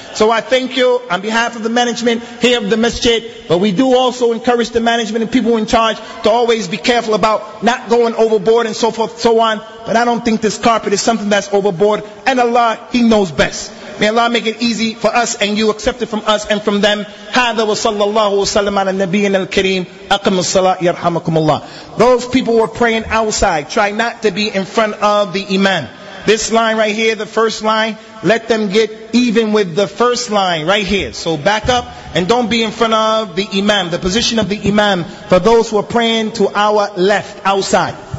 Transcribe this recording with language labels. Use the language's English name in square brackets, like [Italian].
[English] So I thank you on behalf of the management here of the masjid, but we do also encourage the management and people in charge to always be careful about not going overboard and so forth and so on. But I don't think this carpet is something that's overboard, and Allah, He knows best. May Allah make it easy for us and you, accept it from us and from them. [Arabic] هذا وصلى الله وسلم على نبينا الكريم أقم الصلاة يرحمكم الله. [English] Those people were praying outside. Try not to be in front of the imam. This line right here, the first line, let them get even with the first line right here. So back up and don't be in front of the imam, the position of the imam, for those who are praying to our left, outside.